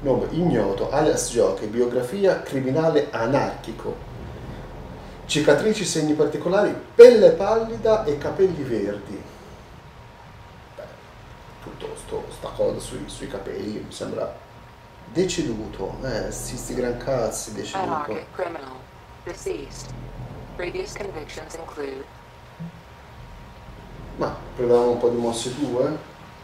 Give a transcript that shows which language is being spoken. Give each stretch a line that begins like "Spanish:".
Italian: Nome ignoto, alias Joker, biografia, criminale anarchico. Cicatrici, segni particolari, pelle pallida e capelli verdi. Beh, tutto sta cosa sui capelli mi sembra deceduto. Sti gran cazzi, deceduto.
English: Anarchic criminal, deceased. Previous convictions include...
Italian: Ma proviamo un po' di mosse due.